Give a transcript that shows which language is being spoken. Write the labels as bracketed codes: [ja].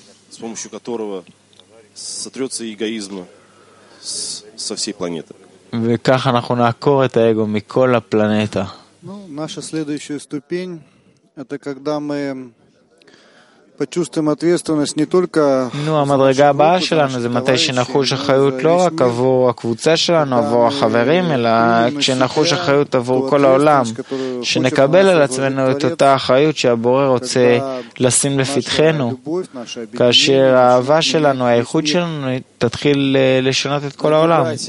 [ru] с помощью которого сотрется эгоизм со всей планеты. [he] וככה אנחנו נעקור את האגו מכל הפלנטה. [ru] Наша следующая ступень это когда мы почувствуем ответственность не только [he] ну, המדרגה הבאה שלנו זה מתי שנחוש אחריות לא רק עבור הקבוצה שלנו, עבור החברים, אלא כשנחוש אחריות עבור כל העולם, שנקבל על עצמנו את אותה אחריות שהבורא רוצה לשים לפתחנו, כאשר האהבה שלנו, האיכות שלנו, תתחיל לשנות את כל העולם.